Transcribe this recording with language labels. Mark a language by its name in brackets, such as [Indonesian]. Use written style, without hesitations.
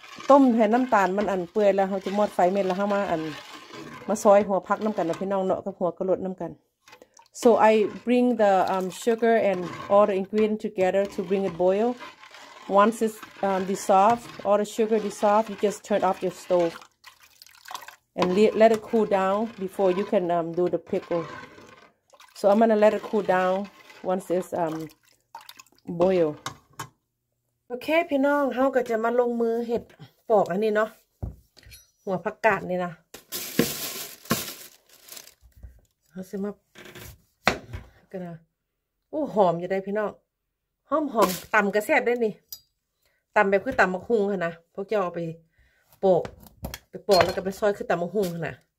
[Northeastern Thai] ต้มให้น้ําตาลมันอันเปื่อยแล้วเฮาจะมอดไฟเมี่ยนแล้วเฮามาอันมาซอยหัวผักน้ํากันนะพี่น้องเนาะกับหัวกะโหลดน้ํากัน [English] So I bring the sugar and all the ingredient together to bring it boil once it's dissolved all the sugar dissolved you just turn off your stoveAnd let it cool down before you can do the pickle. So I'm gonna let it cool down once it's boil. [Northeastern Thai] Okay, พี่น้องเฮาก็จะมาลงมือเฮ็ดปอกอันนี้เนาะหัวผักกาดนี่นะเฮาสิมากระโอ้หอมอยู่ได้พี่น้องหอมหอมตำกระแซ่บได้นี่ตำแบบคือตำมะฮุงค่ะนะพวกเจ้าเอาไปปอกปอกแล้วก็ไปซอยคือตำมะฮุ่งน่ะ